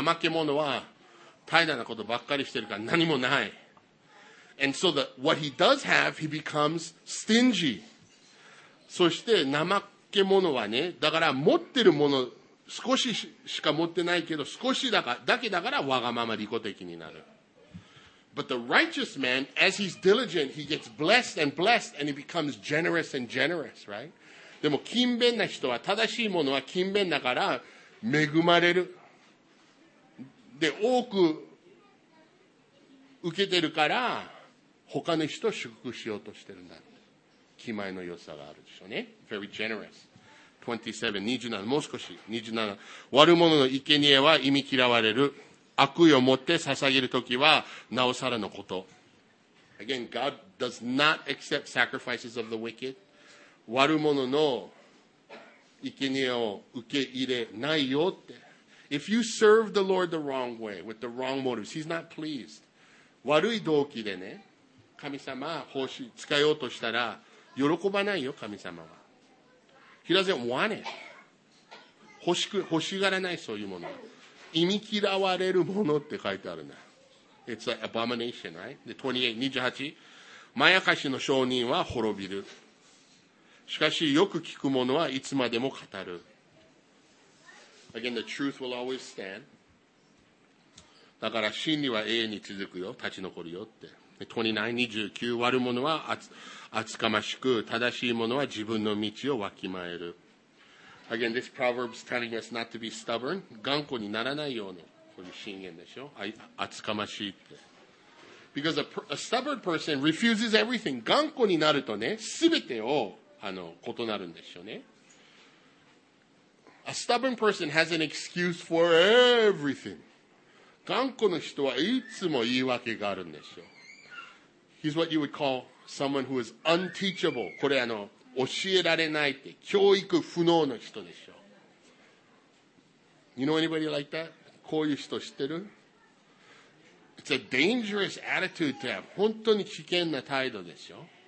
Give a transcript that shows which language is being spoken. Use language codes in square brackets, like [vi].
[ja] 怠け者は怠惰なことばっかりしてるから何もない。 [en] And so what he does have, he becomes stingy. [ja] そして怠け者はね、だから持ってるもの少ししか持ってないけど、少しだからわがまま利己的になる。 [en] But the righteous man, as he's diligent, he gets blessed and blessed and he becomes generous and generous, right? [ja] でも勤勉な人は、正しいものは勤勉だから恵まれる。で、多く受けてるから他の人を祝福しようとしてるんだ。気前の良さがあるでしょうね。 [en] Very generous. 27, 27、 [ja] もう少し27。悪者の生贄は忌み嫌われる。悪意を持って捧げるときはなおさらのこと。 [en] Again, God does not accept sacrifices of the wicked. [ja] 悪者の生贄を受け入れないよって。 [en] If you serve the Lord the wrong way, with the wrong motives, he's not pleased. [ja] 悪い動機でね、神様を奉仕、使おうとしたら、喜ばないよ、神様は。 [en] He doesn't want it. [ja] 欲しがらない、そういうもの。忌み嫌われるものって書いてあるな。 [en] It's an abomination, right? [ja] 28、まやかしの証人は滅びる。しかし、よく聞く者はいつまでも語る。 [en] Again, the truth will always stand. [ja] だから真理は永遠に続くよ、立ち残るよって。29、29、悪者は厚かましく、正しい者は自分の道をわきまえる。 [en] Again, this proverb is telling us not to be stubborn. [ja] 頑固にならないような、こういう箴言でしょ。厚かましいって。 [en] Because a stubborn person refuses everything. [ja] 頑固になるとね、すべてを異なるんですよね。 [en] A stubborn person has an excuse for everything. [ja] 頑固の人はいつも言い訳があるんですよ。 [en] He's what you would call someone who is unteachable. [ja] これ教えられないって、教育不能の人でしょ。 [en] You know anybody like that? [ja] こういう人知ってる? [en] It's a dangerous attitude to have. [ja] 本当に危険な態度でしょ。